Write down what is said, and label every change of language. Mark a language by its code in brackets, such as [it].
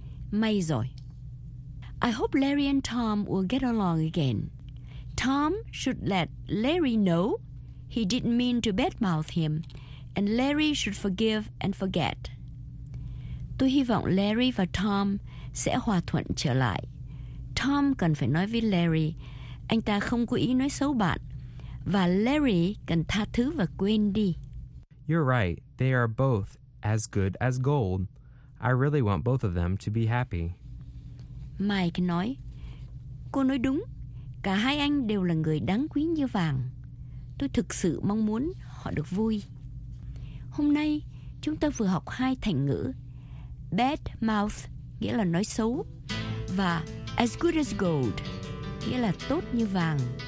[vi] May rồi. [en] I hope Larry and Tom will get along again. Tom should let Larry know he didn't mean to badmouth him. And Larry should forgive and forget. [vi] Tôi hy vọng Larry và Tom sẽ hòa thuận trở lại. Tom cần phải nói với Larry, anh ta không cố ý nói xấu bạn. Và Larry cần tha thứ và quên đi. [en] You're right. They are both as good as gold. I really want both of them to be happy. [vi] Mike nói, cô nói đúng. Cả hai anh đều là người đáng quý như vàng. Tôi thực sự mong muốn họ được vui. Hôm nay, chúng ta vừa học hai thành ngữ. Bad mouth, nghĩa là nói xấu. Và as good as gold, nghĩa là tốt như vàng.